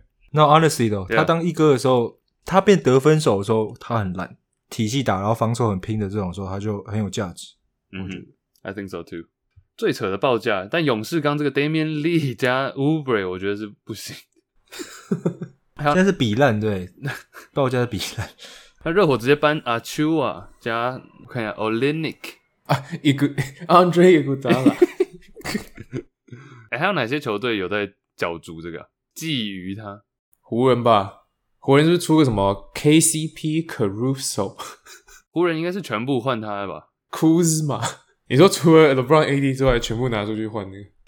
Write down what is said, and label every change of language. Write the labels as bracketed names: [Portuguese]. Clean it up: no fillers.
[English] No, honestly though,、yeah. [Chinese] 他当一哥的时候，他变得分手的时候，他很烂，体系打，然后防守很拼的这种时候，他就很有价值。 [English] 嗯、mm-hmm. ，I think so too. [Chinese] 最扯的报价，但勇士刚这个 Damian Lee 加 Oubre 我觉得是不行。现在是比烂，对，报价是比烂。那热火直接搬 Achua 加，我看一下 Olynyk 啊，一个 Andre Iguodala。还有哪些球队有在角逐这个、啊？觊觎他？湖人吧，湖人是不是出个什么 KCP Caruso？湖人应该是全部换他吧？Kuzma， 你说除了 LeBron AD 之外，全部拿出去换那个？